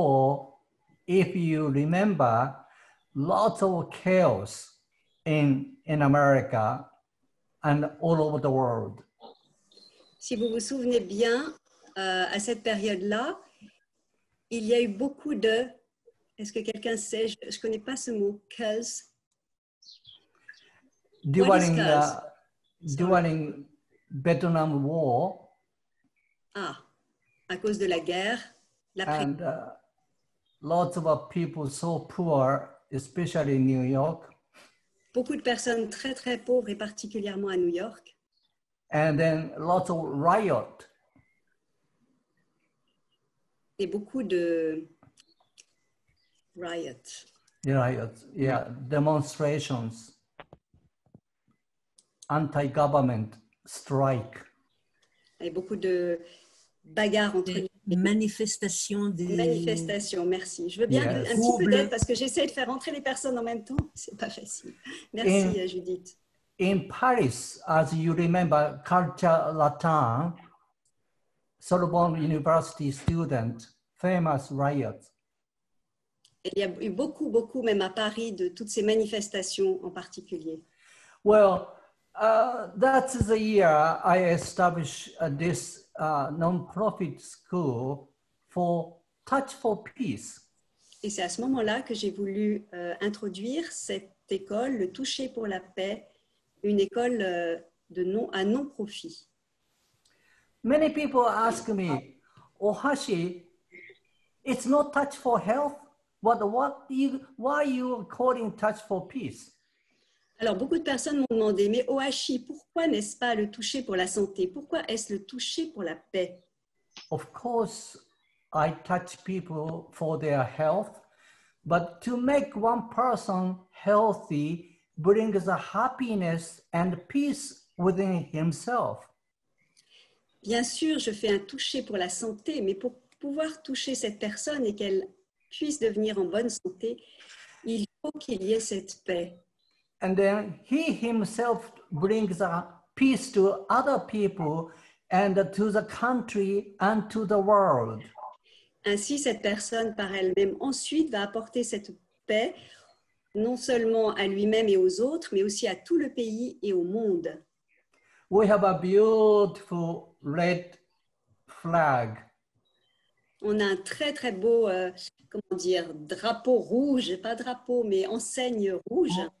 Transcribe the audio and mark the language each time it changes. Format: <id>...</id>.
<en>1974, if you remember, lots of chaos in America and all over the world.</en> <fr>Si vous vous souvenez bien, à cette période-là, il y a eu beaucoup de... Est-ce que quelqu'un sait? Je ne connais pas ce mot. Chaos.</fr> <en>During the during Vietnam War.</en> <fr>Ah, à cause de la guerre, la prime.</fr> <en>And lots of people so poor, especially in New York.</en> <fr>Beaucoup de personnes très très pauvres et particulièrement à New York.</fr> <en>And then lots of riot.</en> <fr>Et beaucoup de riot.</fr> <en>Riots, yeah, demonstrations. Anti-government strike.</en> <fr>Et beaucoup de bagarres entre les manifestations. Manifestations, merci. Je veux bien yes. Un petit peu d'aide parce que j'essaie de faire entrer les personnes en même temps. C'est pas facile. Merci, Judith.</fr> <en>In Paris, as you remember, Culture Latin, Sorbonne University student, famous riot.</en> <fr>Il y a eu beaucoup, beaucoup, même à Paris, de toutes ces manifestations en particulier.</fr> <en>Well, that's the year I established this non-profit school for Touch for Peace.</en> <fr>Et c'est à ce moment-là que j'ai voulu introduire cette école, le Toucher pour la Paix, une école à non-profit.</fr> <en>Many people ask me, Ohashi, it's not Touch for Health. Why are you calling Touch for Peace?</en> <fr>Alors, beaucoup de personnes m'ont demandé, mais Ohashi, pourquoi n'est-ce pas le toucher pour la santé? Pourquoi est-ce le toucher pour la paix?</fr> <en>Of course, I touch people for their health, but to make one person healthy brings a happiness and peace within himself.</en> <fr>Bien sûr, je fais un toucher pour la santé, mais pour pouvoir toucher cette personne et qu'elle puisse devenir en bonne santé, il faut qu'il y ait cette paix.</fr> <en>And then he himself brings a peace to other people and to the country and to the world.</en> <fr>Ainsi, cette personne par elle-même ensuite va apporter cette paix non seulement à lui-même et aux autres, mais aussi à tout le pays et au monde.</fr> <en>We have a beautiful red flag.</en> <fr>On a un très très beau, comment dire, drapeau rouge, pas drapeau, mais enseigne rouge.</fr>